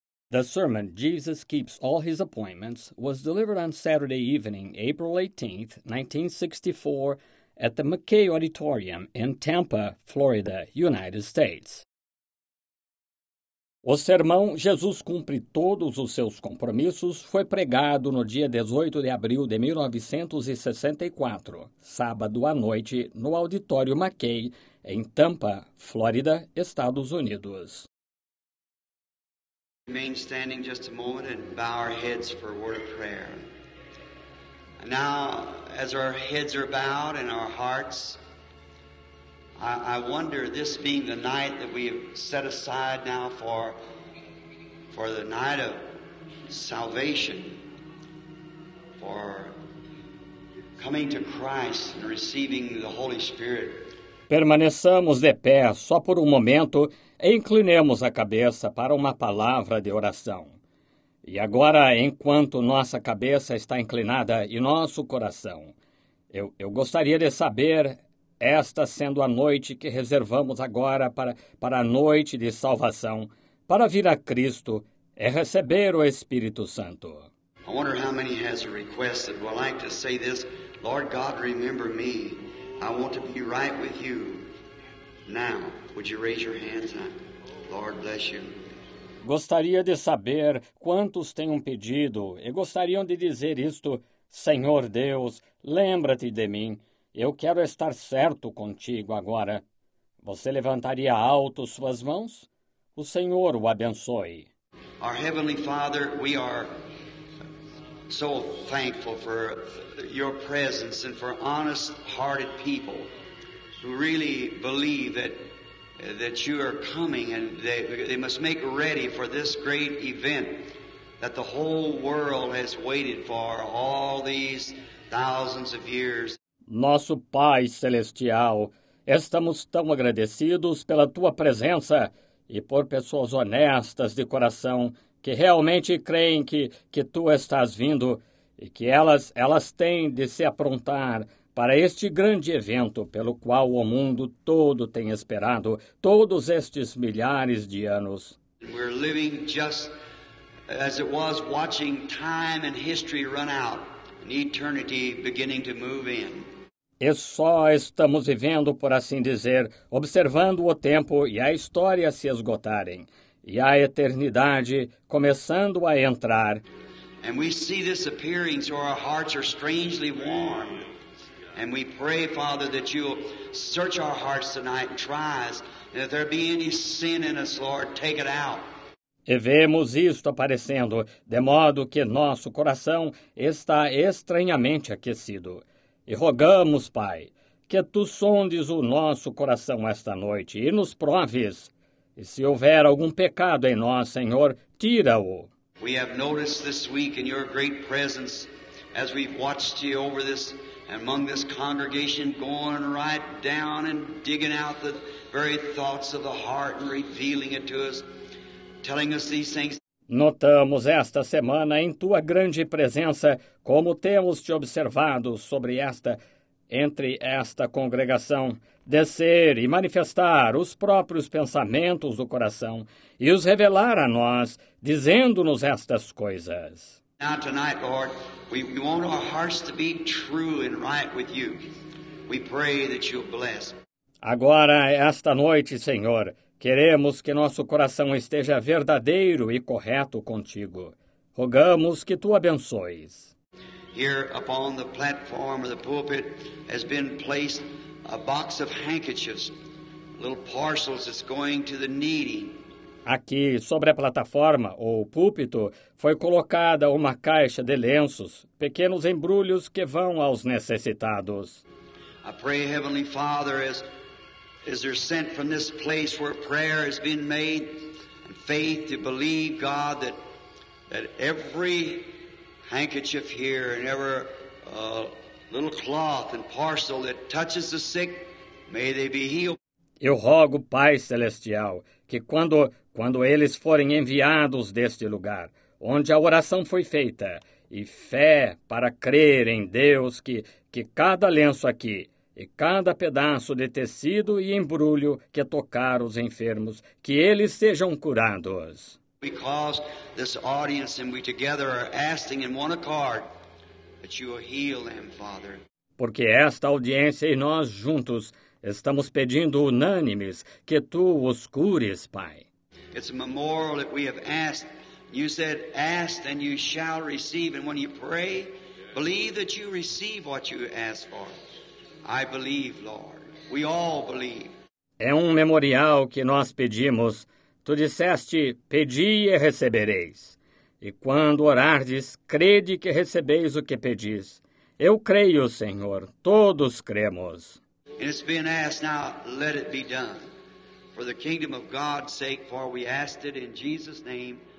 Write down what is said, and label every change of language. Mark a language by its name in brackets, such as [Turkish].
[English] The sermon, Jesus Keeps All His Appointments, was delivered on Saturday evening, April 18, 1964, at the McKay Auditorium in Tampa, Florida, United States. [Portuguese] O sermão Jesus Cumpre Todos os Seus Compromissos foi pregado no dia 18 de abril de 1964, sábado à noite, no Auditório McKay, em Tampa, Flórida, Estados Unidos. [English] Remain standing just a moment and bow our heads for a word of prayer. Now, as our heads are bowed and our hearts, I wonder, this being the night that we have set aside now for the night of salvation, for coming to Christ and receiving the Holy Spirit. [Portuguese] Permaneçamos de pé só por um momento e inclinemos a cabeça para uma palavra de oração. E agora, enquanto nossa cabeça está inclinada e nosso coração, eu gostaria de saber, esta sendo a noite que reservamos agora para a noite de salvação, para vir a Cristo e receber o Espírito Santo. [English] I wonder how many has a request that would like to say this, Lord God, remember me. I want to be right with you now. Would you raise your hands up? Lord bless you. [Portuguese] Gostaria de saber quantos têm um pedido e gostariam de dizer isto, Senhor Deus, lembra-te de mim. Eu quero estar certo contigo agora. Você levantaria alto suas mãos? O Senhor o abençoe. [English] Our Heavenly Father, we are so thankful for your presence and for honest-hearted people who really believe that you are coming and they must make ready for this great event that the whole world has waited for all these thousands of years. [Portuguese] Nosso Pai Celestial, estamos tão agradecidos pela tua presença e por pessoas honestas de coração que realmente creem que tu estás vindo e que elas têm de se aprontar para este grande evento pelo qual o mundo todo tem esperado todos estes milhares de anos. [English] We're living just as it was, watching time and history run out and eternity beginning to move in. [Portuguese] E só estamos vivendo, por assim dizer, observando o tempo e a história se esgotarem, e a eternidade começando a entrar. [English] And we see this appearing, so our hearts are strangely warm. And we pray, Father, that you'll search our hearts tonight and try us. And if there be any sin in us, Lord, take it out. [Portuguese] E vemos isto aparecendo, de modo que nosso coração está estranhamente aquecido. E rogamos, Pai, que tu sondes o nosso coração esta noite e nos proves. E se houver algum pecado em nós, Senhor, tira-o. [English] We have noticed this week in your great presence as we've watched you over this among this congregation going right down and digging out the very thoughts of the heart and revealing it to us, telling us these things. [Portuguese] Notamos esta semana em tua grande presença como temos te observado sobre esta, entre esta congregação, descer e manifestar os próprios pensamentos do coração e os revelar a nós, dizendo-nos estas coisas. [English] Now tonight, Lord, we want our hearts to be true and right with you. We pray that you'll bless. [Portuguese] Agora, esta noite, Senhor, queremos que nosso coração esteja verdadeiro e correto contigo. Rogamos que tu abençoes. [English] Here upon the platform of the pulpit has been placed a box of handkerchiefs, little parcels that's going to the needy. [Portuguese] Aqui, sobre a plataforma ou púlpito, foi colocada uma caixa de lenços, pequenos embrulhos que vão aos necessitados. [English] I pray, Heavenly Father, as they're sent from this place where prayer has been made, and faith to believe, God, that every handkerchief here and every little cloth and parcel that touches the sick, may they be healed. [Portuguese] Eu rogo, Pai Celestial, que quando eles forem enviados deste lugar, onde a oração foi feita, e fé para crer em Deus que cada lenço aqui e cada pedaço de tecido e embrulho que tocar os enfermos, que eles sejam curados. [English] Because this audience and we together are asking in one accord that you will heal them, Father. [Portuguese] Porque esta audiência e nós juntos estamos pedindo unânimes que tu os cures, Pai. [English] It's a memorial that we have asked. You said, ask and you shall receive. And when you pray, believe that you receive what you ask for. I believe, Lord. We all believe. [Portuguese] É um memorial que nós pedimos. Tu disseste, pedi e recebereis. E quando orardes, crede que recebeis o que pedis. Eu creio, Senhor. Todos cremos. [English] And it's been asked now, let it be done. For the kingdom of God's sake, for we asked it in Jesus' name.